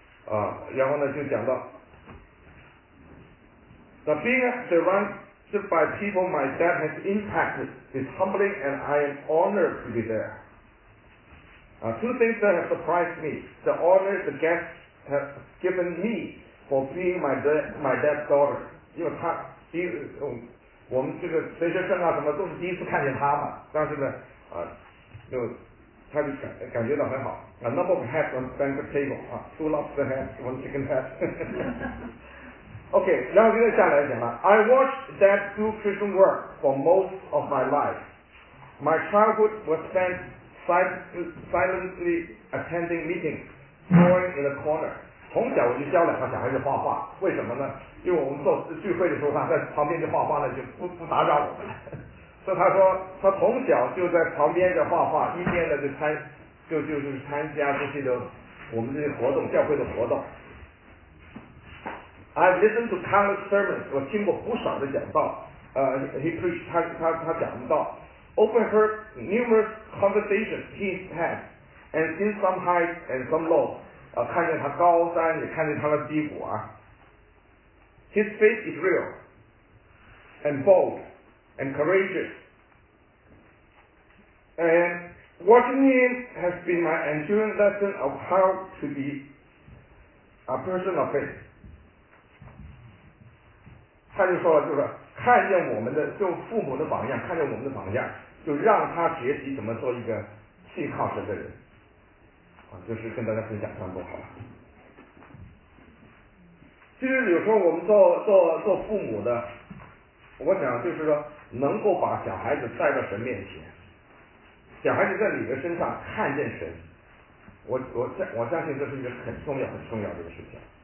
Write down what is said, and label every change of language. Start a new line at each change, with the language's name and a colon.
Chinese: 啊，然后呢，就讲到
English: ，The being surrounded by people my dad has impacted is humbling, and I am honored to be there。 Two things that have surprised me: the honor the guests have given me for being my dad's daughter。
Chinese: 因为他第一次，我们这个学生证啊什么都是第一次看见他嘛，但是呢，就他就感觉到很好。
English: A number of heads on banquet table， 啊 ，two lobster heads， one chicken head。 OK，
Chinese: 然后接着下来讲了
English: ，I watched Dad do Christian work for most of my life. My childhood was spent silently attending meetings, drawing in a corner。
Chinese: 从小我就教两个小孩子画画，为什么呢？因为我们做聚会的时候，他在旁边就画画呢，就不打扰我们了。所以他说，他从小就在旁边的画画，一边的就参加这些的我们这些活动，教会的活动。
English: I've listened to countless sermons，
Chinese: 我听过不少的讲道。
English: He preached，
Chinese: 他讲道
English: ，overheard numerous conversations he had， and seen some high and some low。
Chinese: 看见他高山，也看见他的低谷啊。
English: His faith is real and bold and courageous. And watching him has been my enduring lesson of how to be a person of faith.
Chinese: 他就说了，就是看见我们的，就父母的榜样，看见我们的榜样，就让他学习怎么做一个信靠神的人。就是跟大家分享差不多好了。其实有时候我们做父母的，我想就是说能够把小孩子带到神面前，小孩子在你的身上看见神，我相信这是一个很重要很重要的一个事情。